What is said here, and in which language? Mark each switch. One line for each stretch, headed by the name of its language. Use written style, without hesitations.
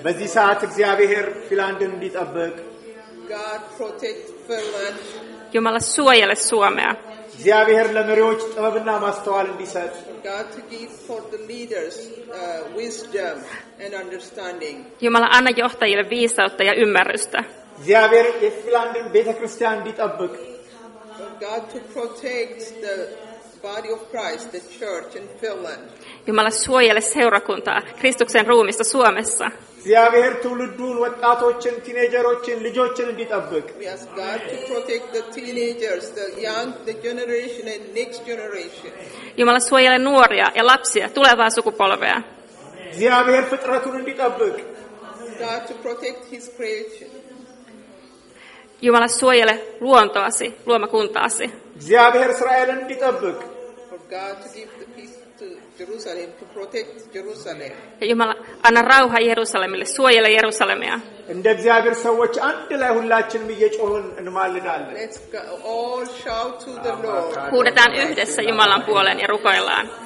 Amharic: Vezi saat እግዚአብሔር ፊላንድን እንዲጠብቅ.
English: God protect Finland.
Finnish: Jumala suojele Suomea.
Amharic: እግዚአብሔር ለመሪዎች ጥበብና ማስተዋል እንዲሰጥ.
English: God to give for the leaders wisdom and understanding.
Finnish: Jumala anna johtajille viisautta ja ymmärrystä.
Amharic: እግዚአብሔር የፊላንድን ቤተክርስቲያን እንዲጠብቅ.
English: God to protect the body of Christ, the church in Finland.
Finnish: Jumala suojele seurakuntaa Kristuksen ruumista Suomessa.
Amharic: እግዚአብሔር ትውልዱን ወጣቶችን ቲኔጀሮችን ልጆችን እንዲጠብቅ.
English: Yes, God to protect the teenagers, the young, the generation and next generation.
Finnish: Jumala suojele nuoria ja lapsia tulevaa sukupolvea.
Amharic: እግዚአብሔር ፍጥረቱን እንዲጠብቅ.
English: God to protect his creation.
Finnish: Jumala suojele luontoasi, luomakuntaasi.
Amharic: እግዚአብሔር እስራኤልን እንዲጠብቅ.
English: God to give the peace to Jerusalem, to protect Jerusalem.
Finnish: Jumala Anna rauha Jerusalemille, suojele Jerusalemia.
Amharic: እንደዚያብር ሰዎች አንድ ላይ ሁላችንም እየጮህን እንማልዳለን.
English: Let's all shout to the Lord.
Finnish: Huudetaan yhdessä Jumalan puoleen ja rukoillaan.